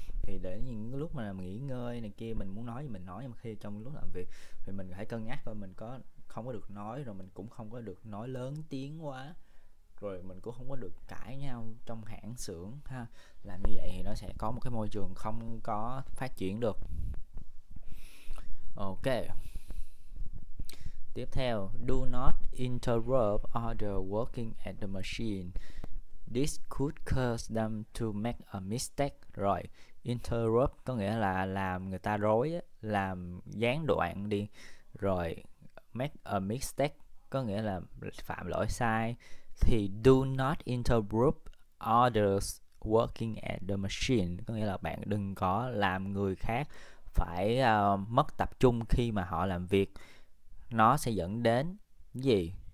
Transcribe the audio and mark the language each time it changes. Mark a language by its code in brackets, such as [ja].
[vi] Thì để những cái lúc mà làm nghỉ ngơi này kia, mình muốn nói thì mình nói, nhưng mà khi trong lúc làm việc thì mình phải cân nhắc coi mình có không có được nói, rồi mình cũng không có được nói lớn tiếng quá, rồi mình cũng không có được cãi nhau trong hãng xưởng ha. Làm như vậy thì nó sẽ có một cái môi trường không có phát triển được. [en] Ok, [vi] tiếp theo, [en] do not interrupt other working at the machine. This could cause them to make a mistake. [vi] Rồi, interrupt có nghĩa là làm người ta rối, làm gián đoạn đi. Rồi, [en] make a mistake [vi] có nghĩa là phạm lỗi sai. Thì [en] do not interrupt others working at the machine [vi] có nghĩa là bạn đừng có làm người khác phải mất tập trung khi mà họ làm việc. Nó sẽ dẫn đến gì?